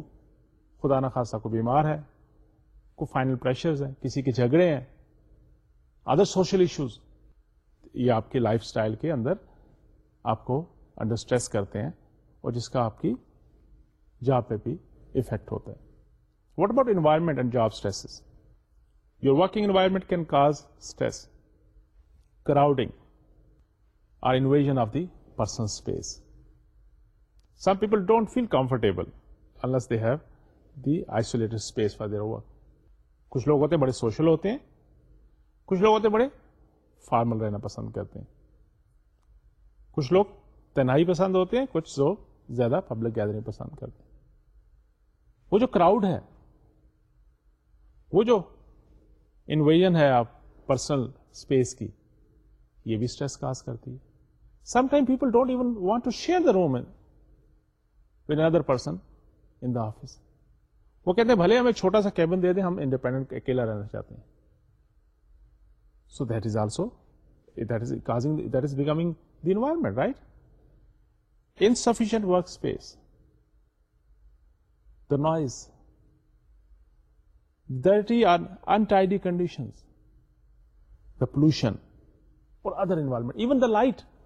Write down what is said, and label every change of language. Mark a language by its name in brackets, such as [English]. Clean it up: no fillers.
[Urdu] خدا نہ خاصا کو بیمار ہے, کو فائنل پریشرز ہیں, کسی کے جھگڑے ہیں, [English] other social issues, [Urdu] یہ آپ کے لائف سٹائل کے اندر آپ کو انڈر سٹریس کرتے ہیں اور جس کا آپ کی جاب پہ بھی ایفیکٹ ہوتا ہے. [English] What about environment and job stresses, your working environment can cause stress. Crowding or invasion of the person space, some people don't feel comfortable unless they have the isolated space for their work. [Urdu] کچھ لوگ ہوتے ہیں بڑے social ہوتے ہیں, کچھ لوگ ہوتے ہیں بڑے فارمل رہنا پسند کرتے ہیں, کچھ لوگ تنہائی پسند ہوتے ہیں, کچھ لوگ زیادہ پبلک گیدرنگ پسند کرتے ہیں. وہ جو کراؤڈ ہے وہ جو انویژن ہے آپ پرسنل اسپیس کی, یہ بھی اسٹریس کاز کرتی ہے. [English] Some time people don't even want to share the room with another person in the office. [Urdu] وہ کہتے ہیں بھلے ہمیں چھوٹا سا کیبن دے دیں, ہم انڈیپینڈنٹ اکیلا رہنا چاہتے ہیں. [English] So that is also that is becoming the environment right. Insufficient work space, the noise, dirty اور untidy conditions, the pollution اور other environment, even the light.